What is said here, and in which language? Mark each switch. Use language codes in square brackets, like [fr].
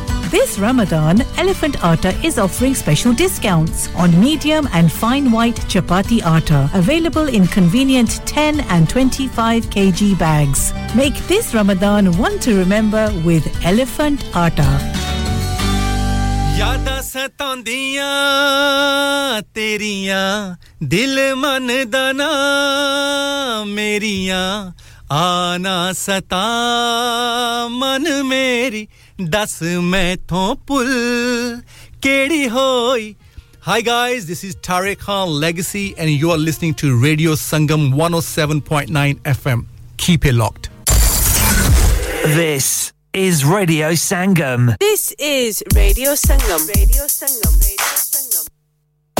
[en] This Ramadan, Elephant Atta is offering special discounts on medium and fine white chapati atta, available in convenient 10 and 25 kg bags. Make this Ramadan one to remember with Elephant Atta. [pa] ਯਾਦਾਂ ਸਤਾਉਂਦੀਆਂ ਤੇਰੀਆਂ ਦਿਲ ਮਨ ਦਾ ਨਾ ਮੇਰੀਆਂ ਆਨਾ ਸਤਾ ਮਨ ਮੇਰੀ ਦੱਸ ਮੈਥੋਂ ਪੁੱਲ ਕਿਹੜੀ ਹੋਈ [en] Hi guys, this is Tariq Khan Legacy and you are listening to Radio Sangam 107.9 FM. Keep it locked. This is Radio Sangam. This is Radio Sangam. Radio Sangam. Radio Sangam.